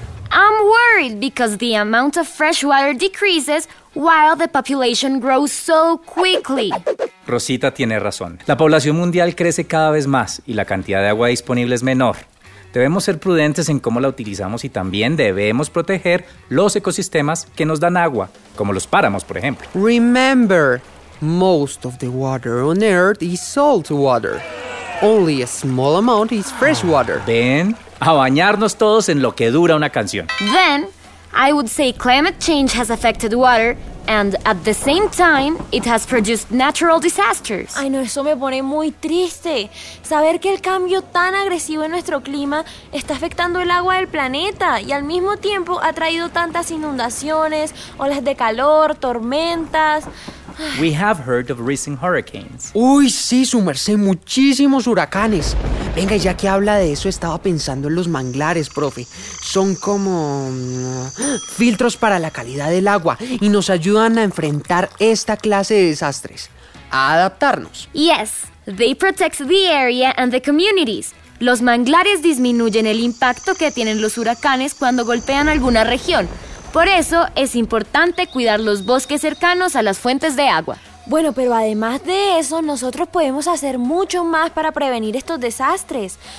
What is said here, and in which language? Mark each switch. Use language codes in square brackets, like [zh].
[en] I'm worried because the amount of fresh water decreases while the population grows so quickly. [es] Rosita tiene razón. La población mundial crece cada vez más y la cantidad de agua disponible es menor. Debemos ser prudentes en cómo la utilizamos y también debemos proteger los ecosistemas que nos dan agua, como los páramos, por ejemplo. [en] Remember, most of the water on Earth is salt water. Only a small amount is fresh water. [es] Ven a bañarnos todos en lo que dura una canción. [en] Then, I would say climate change has affected water and at the same time, it has produced natural disasters. [es] Ay, no, eso me pone muy triste. Saber que el cambio tan agresivo en nuestro clima está afectando el agua del planeta y al mismo tiempo ha traído tantas inundaciones, olas de calor, tormentas. [en] We have heard of recent hurricanes. [es] Uy, sí, su merced, muchísimos huracanes. Venga, ya que habla de eso, estaba pensando en los manglares, profe. Son como filtros para la calidad del agua y nos ayudan a enfrentar esta clase de desastres, a adaptarnos. [en] Yes, they protect the area and the communities. [es] Los manglares disminuyen el impacto que tienen los huracanes cuando golpean alguna región. Por eso es importante cuidar los bosques cercanos a las fuentes de agua. Bueno, pero además de eso, nosotros podemos hacer mucho más para prevenir estos desastres.